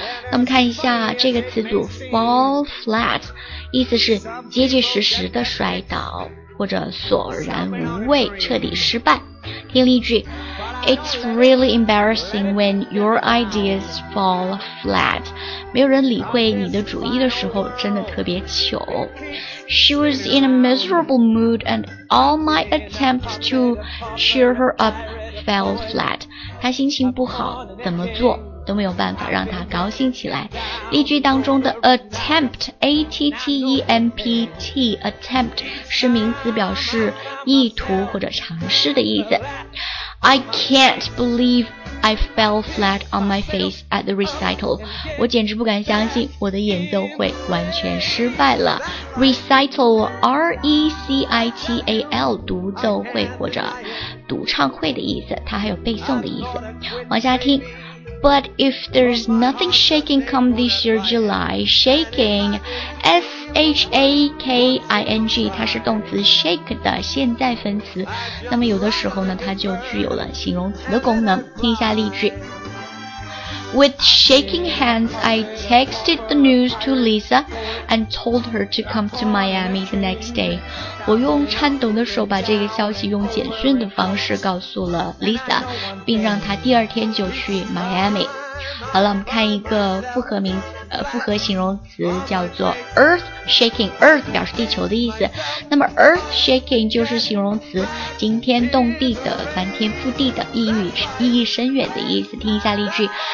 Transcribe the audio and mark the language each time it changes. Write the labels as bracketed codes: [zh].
[zh] 那么看一下这个词组 Fall flat 意思是结结实实的摔倒或者索然无味彻底失败听例句 [en] It's really embarrassing when your ideas fall flat. [zh] 没有人理会你的主意的时候真的特别糗。 [en] She was in a miserable mood and all my attempts to cheer her up fell flat. [zh] 她心情不好怎么做都没有办法让她高兴起来。例句当中的 attempt, A-T-T-E-M-P-T, attempt 是名词表示意图或者尝试的意思。 [en] I can't believe I fell flat on my face at the recital. [zh] 我简直不敢相信我的演奏会完全失败了。 Recital, R-E-C-I-T-A-L, 独奏会或者独唱会的意思，它还有背诵的意思。往下听。 [en] But if there's nothing shaking come this year, July, shaking, S-H-A-K-I-N-G, [zh] 它是动词 shake 的现在分词。那么有的时候呢，它就具有了形容词的功能。听一下例句。 [en] With shaking hands, I texted the news to Lisa and told her to come to Miami the next day. [zh] 我用颤抖的手把这个消息用简讯的方式告诉了 Lisa, 并让她第二天就去 Miami. 好了，我们看一个复合形容词叫做 earth shaking earth 表示地球的意思那么 earth shaking 就是形容词惊天动地的翻天覆地的意义深远的意思听一下例句